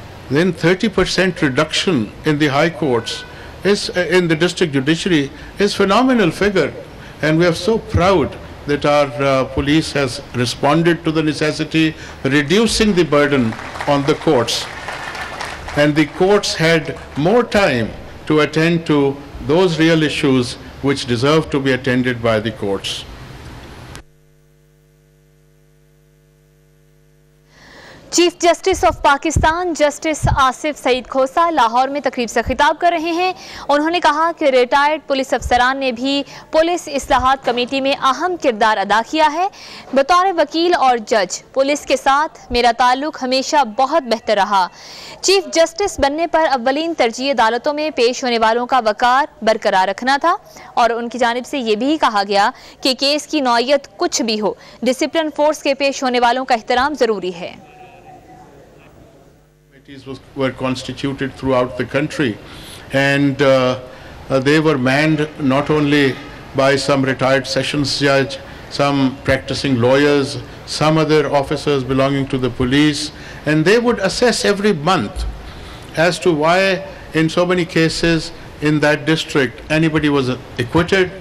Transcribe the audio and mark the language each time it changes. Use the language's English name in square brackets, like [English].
[English] Then 30% reduction in the high courts, is in the district judiciary, is a phenomenal figure, and we are so proud that our police has responded to the necessity, reducing the burden on the courts. And the courts had more time to attend to those real issues which deserve to be attended by the courts. [Hindi] Chief justice of Pakistan justice Asif Saeed खोसा लाहौर में तकरीब से खिताब कर रहे हैं। उन्होंने कहा कि रिटायर्ड पुलिस अफसरान ने भी पुलिस इस्लाहात कमेटी में अहम किरदार अदा किया है। बतौर वकील और जज पुलिस के साथ मेरा ताल्लुक हमेशा बहुत बेहतर रहा। चीफ जस्टिस बनने पर अव्वलीन तरजीह अदालतों में पेश होने वालों का वकार बरकरार रखना था और उनकी जानिब से यह भी कहा गया कि केस की नौइयत कुछ भी हो, डिसिप्लिन फोर्स के पेश होने वालों का एहतराम जरूरी है। [English] Were constituted throughout the country, and they were manned not only by some retired sessions judge, some practicing lawyers, some other officers belonging to the police, and they would assess every month as to why in so many cases in that district anybody was acquitted.